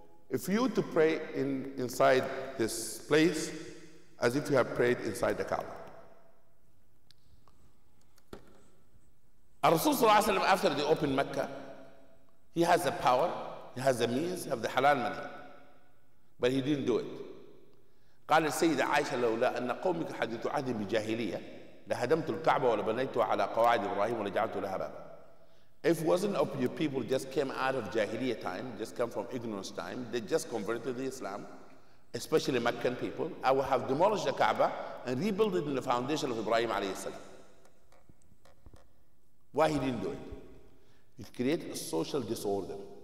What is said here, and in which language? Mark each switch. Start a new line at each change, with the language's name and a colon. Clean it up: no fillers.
English: If you to pray inside this place, as if you have prayed inside the Kaaba. Rasul Sallallahu Alaihi Wasallam, after they opened Mecca, he has the power, he has the means, he has the halal money. But he didn't do it.
Arabic: قال السيدة عائشة لولا أن قومك حدثوا عهد بجاهلية لهدمت الكعبة ولبنيتها على قواعد إبراهيم ورجعت لها بابا.
English: If it wasn't of your people just came out of Jahiliyyah time, just come from ignorance time, they just converted to Islam, especially Meccan people, I would have demolished the Kaaba and rebuilt it in the foundation of Ibrahim alayhi salam. Why he didn't do it? It created a social disorder.